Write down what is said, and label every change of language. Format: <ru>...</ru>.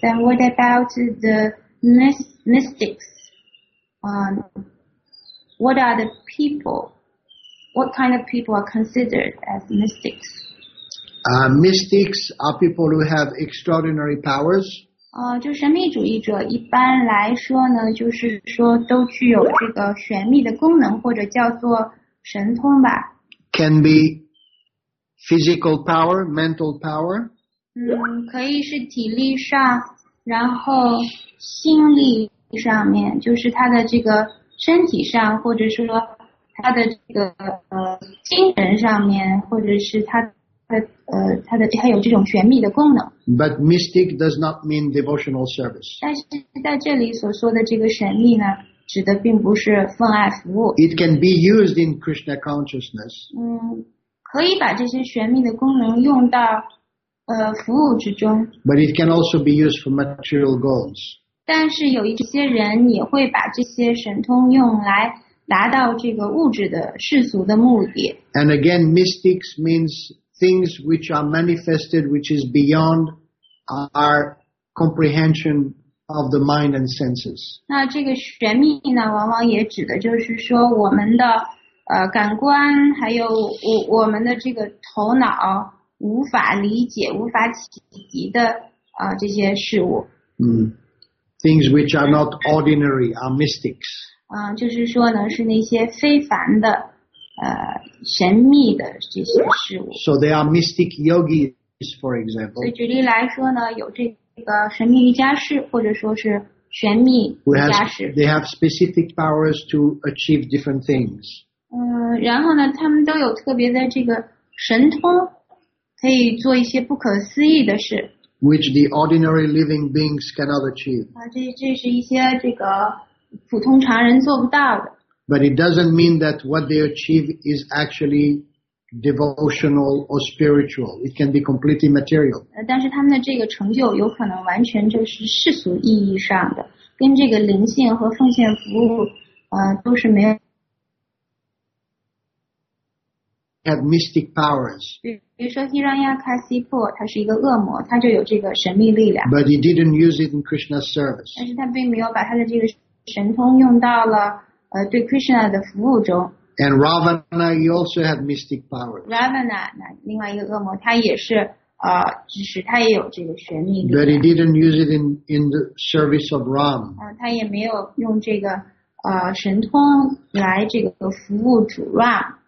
<en>Then what about the mystics, what are the people, what kind of people are considered as mystics? Mystics are people who have extraordinary powers.</en> <zh>就神秘主义者一般来说呢，就是说都具有这个玄秘的功能，或者叫做神通吧。</zh> <en>Can be physical power, mental power.</en> <zh>可以是体力上。然后心力上面，就是他的这个身体上，或者说他的这个精神上面，或者是他的他有这种玄秘的功能。</zh> <en>But mystic does not mean devotional service.</en> <zh>但是在这里所说的这个玄秘呢，指的并不是奉爱服务。</zh> <en>It can be used in Krishna consciousness.</en> <zh>可以把这些玄秘的功能用到。服务之中。</zh> <en>But it can also be used for material goals.</en> <zh>但是有一些人也会把这些神通用来达到这个物质的世俗的目的。</zh> <en>And again, mystics means things which are manifested, which is beyond our comprehension of the mind and senses.</en> <zh>那这个玄秘呢，往往也指的就是说我们的感官，还有我们的这个头脑无法理解、无法企及的这些事物。</zh> <en>Things which are not ordinary are mystics.</en> <zh>就是说呢，是那些非凡的神秘的这些事物。</zh> <en>So there are mystic yogis, for example.</en> <zh>所以举例来说呢，有这个神秘瑜伽士，或者说是玄秘瑜伽士。</zh> <en>They have specific powers to achieve different things.</en> <zh>然后呢，他们都有特别的这个神通，可以做一些不可思议的事。</zh> <en>Which the ordinary living beings cannot achieve.</en> <zh>这是一些这个普通常人做不到的。</zh> <en>But it doesn't mean that what they achieve is actually devotional or spiritual. It can be completely material.</en> <zh>但是他们的这个成就有可能完全就是世俗意义上的，跟这个灵性和奉献服务，都是没有。</zh> <en>Have mystic powers.</en> <zh>比如说 Hiranya Kasipu, 他是一个恶魔，他就有这个神秘力量。</zh> <en>But he didn't use it in Krishna's service.</en> <zh>但是他并没有把他的这个神通用到了。对 Krishna 的服务中。</zh> <en>And Ravana, he also had mystic powers.</en> <zh>Ravana, 那另外一个恶魔，他也是只是他也有这个玄秘力量。</zh> <en>But he didn't use it in the service of Ram.</en> <zh>他也没有用这个神通来这个服务主 Ram.</zh>